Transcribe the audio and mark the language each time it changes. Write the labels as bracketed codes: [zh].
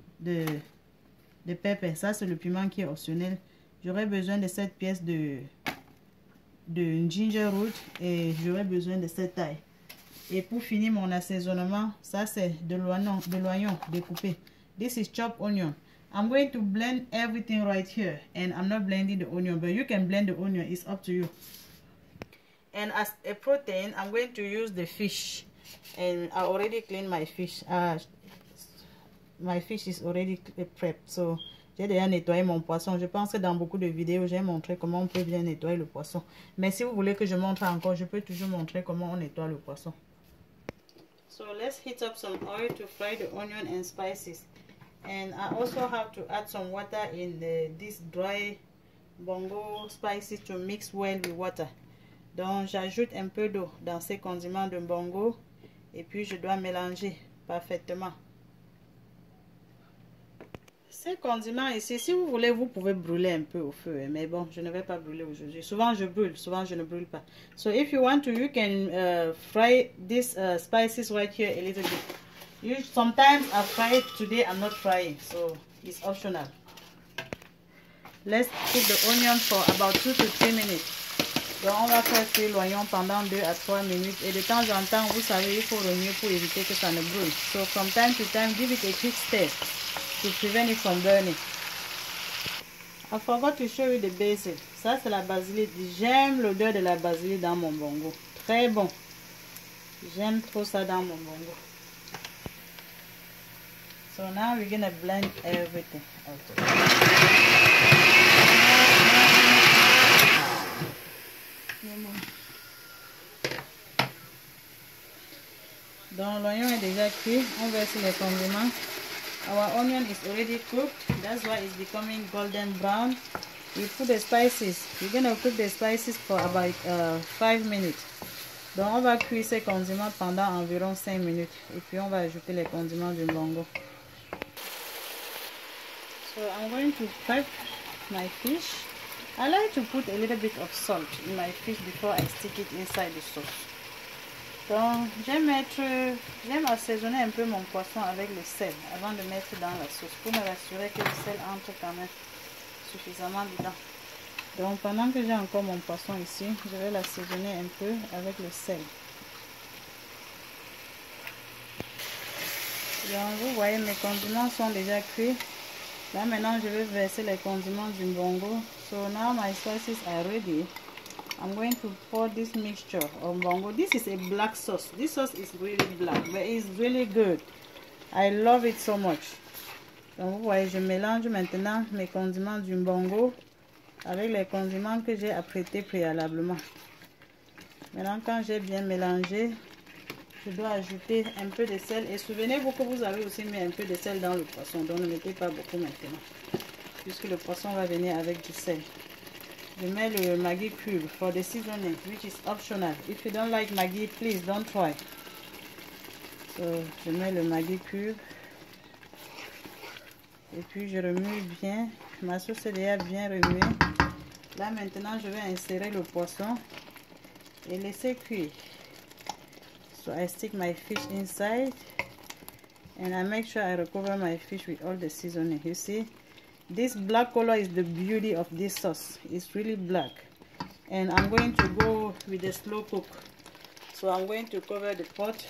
[fr] De pépés. Ça, c'est le piment qui est optionnel. J'aurais besoin de cette pièce de ginger root. Et j'aurais besoin de cette taille. Et pour finir mon assaisonnement, ça c'est de l'oignon découpé. [en] This is chopped onion. I'm going to blend everything right here. And I'm not blending the onion, but you can blend the onion. It's up to you. And as a protein, I'm going to use the fish. And I already cleaned my fish. My fish is already prepped. [fr] So, j'ai déjà nettoyé mon poisson. Je pense que dans beaucoup de vidéos, j'ai montré comment on peut bien nettoyer le poisson. Mais si vous voulez que je montre encore, je peux toujours montrer comment on nettoie le poisson. [en] So let's heat up some oil to fry the onion and spices. And I also have to add some water in this dry bongo spices to mix well with water. [fr] Donc j'ajoute un peu d'eau dans ces condiments de bongo et puis je dois mélanger parfaitement. Ces condiments ici, si vous voulez, vous pouvez brûler un peu au feu. Mais bon, je ne vais pas brûler aujourd'hui. Souvent, je brûle. Souvent, je ne brûle pas. [en] So, if you want to, you can fry these spices right here a little bit. Sometimes, I fry it. Today, I'm not frying. So, it's optional. Let's cook the onion for about 2 to 3 minutes. [fr] Donc, on va faire cuire l'oignon pendant 2 à 3 minutes. Et de temps en temps, vous savez, il faut remuer pour éviter que ça ne brûle. [en] So, from time to time, give it a quick stir. To prevent it from burning. I forgot to show you the basil. [fr] Ça c'est la basilic. J'aime l'odeur de la basilic dans mon bongo. Très bon. J'aime trop ça dans mon bongo. [en] So now we're gonna blend everything. Okay. [fr] Donc l'oignon est déjà cuit. On verse les condiments. [en] Our onion is already cooked. That's why it's becoming golden brown. We put the spices. We're going to cook the spices for about 5 minutes. [fr] Donc, on va cuire ces condiments pendant environ 5 minutes. Et puis, on va ajouter les condiments du mbongo. [en] So, I'm going to prep my fish. I like to put a little bit of salt in my fish before I stick it inside the sauce. [fr] Donc, j'aime assaisonner un peu mon poisson avec le sel avant de mettre dans la sauce pour me rassurer que le sel entre quand même suffisamment dedans. Donc, pendant que j'ai encore mon poisson ici, je vais l'assaisonner un peu avec le sel. Donc, vous voyez, mes condiments sont déjà cuits. Là, maintenant, je vais verser les condiments du mbongo. [en] So, now my spices are ready. I'm going to pour this mixture of mbongo. This is a black sauce. This sauce is really black, but it's really good. I love it so much. [fr] Donc vous voyez, je mélange maintenant mes condiments du mbongo avec les condiments que j'ai apprêtés préalablement. Maintenant, quand j'ai bien mélangé, Je dois ajouter un peu de sel. Et souvenez-vous que vous avez aussi mis un peu de sel dans le poisson. Donc ne mettez pas beaucoup maintenant. Puisque le poisson va venir avec du sel. Je mets le Maggi cube [en] for the seasoning, which is optional. If you don't like Maggi, please don't try. [fr] So, je mets le Maggi cube. Et puis je remue bien. Ma sauce est déjà bien remuée. Là maintenant, je vais insérer le poisson et laisser cuire. [en] So I stick my fish inside and I make sure I recover my fish with all the seasoning. You see, this black color is the beauty of this sauce. It's really black. And I'm going to go with the slow cook. So I'm going to cover the pot.